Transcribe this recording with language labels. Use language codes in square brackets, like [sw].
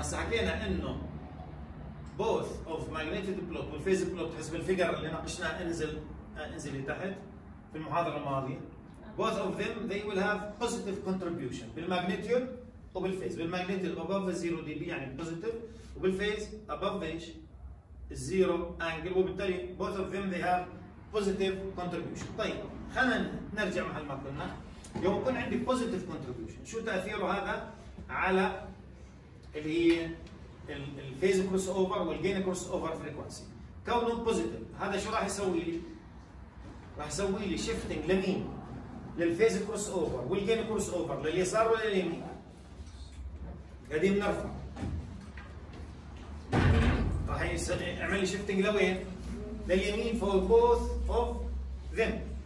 [ar] هسه حكينا انه [en] both of magnetic block [ar] وال phase block حسب الفيجر اللي ناقشناه انزل لتحت في المحاضره الماضيه. [en] both of them they will have positive contribution بالماجنيتيود وبالفيز. بالماجنيتيود above the 0 dB يعني positive, وبالفيز above the ايش الزيرو انجل, وبالتالي both of them they have positive contribution. [ar] طيب خلينا نرجع محل ما كنا. يوم يكون عندي positive contribution شو تاثيره هذا على اللي هي الفيز كروس اوفر والجين كروس اوفر فريكوانسي؟ كونه بوزيتيف هذا شو راح يسوي لي؟ راح يسوي لي شيفتنج لمين؟ للفيز كروس اوفر والجين كروس اوفر لليسار ولا لليمين؟ قديم نرفع راح يعمل لي شيفتنج لوين؟ لليمين [en] For both of them.